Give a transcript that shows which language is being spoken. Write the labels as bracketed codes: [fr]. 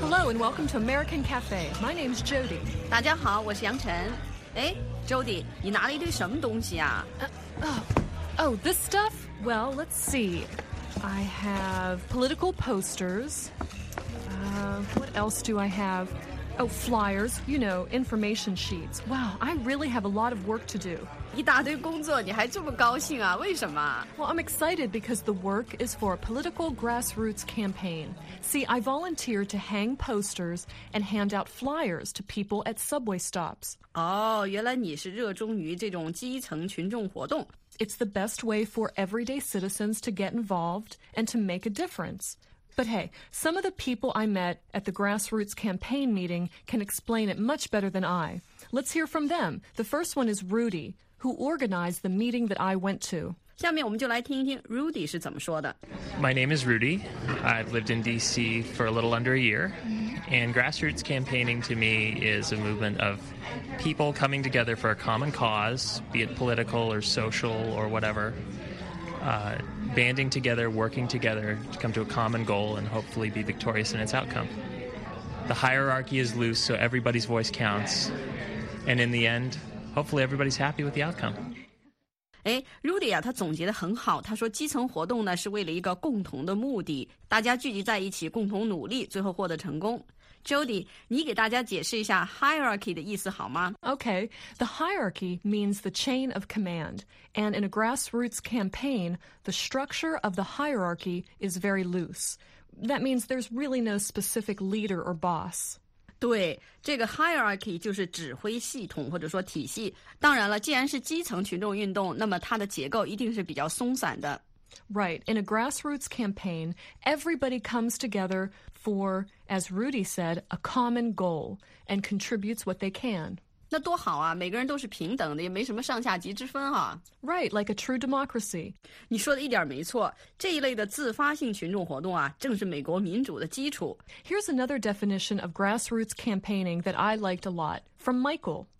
[en] Welcome to American Cafe. My name's Jody. [zh] 大家好，我是杨晨。哎 ，Jody， 你拿了一堆什么东西啊 [en] ？Oh, this stuff. Well, let's see. I have political posters. What else do I have? Oh, flyers. You know, information sheets. Wow, I really have a lot of work to do. [zh] 一大堆工作你还这么高兴啊为什么 [en] Well, I'm excited because the work is for a political grassroots campaign. See, I volunteer to hang posters and hand out flyers to people at subway stops. [zh] 哦原来你是热衷于这种基层群众活动。 [en] It's the best way for everyday citizens to get involved and to make a difference. But hey, some of the people I met at the grassroots campaign meeting can explain it much better than I. Let's hear from them. The first one is Rudy. Who organized the meeting that I went to? [zh] 下面我们就来听一听 Rudy 是怎么说的。 [en] My name is Rudy. I've lived in D.C. for a little under a year. And grassroots campaigning to me is a movement of people coming together for a common cause, be it political or social or whatever, banding together, working together to come to a common goal and hopefully be victorious in its outcome. The hierarchy is loose, so everybody's voice counts. And in the end,Hopefully, everybody's happy with the outcome. [zh] 哎 ，Rudy 啊，他总结的很好。他说，基层活动呢是为了一个共同的目的，大家聚集在一起，共同努力，最后获得成功。 Jody， 你给大家解释一下 hierarchy 的意思好吗 [en] ？Okay, the hierarchy means the chain of command, and in a grassroots campaign, the structure of the hierarchy is very loose. That means there's really no specific leader or boss. [zh] 对这个 hierarchy 就是指挥系统或者说体系当然了既然是基层群众运动那么它的结构一定是比较松散的 [en] Right, in a grassroots campaign, everybody comes together for, as Rudy said, a common goal and contributes what they can [zh] 那多好啊每个人都是平等的也没什么上下级之分啊 [en] Right, like a true democracy [zh] 你说的一点没错这一类的自发性群众活动啊正是美国民主的基础 [en] Here's another definition of grassroots campaigning that I liked a lot from Michael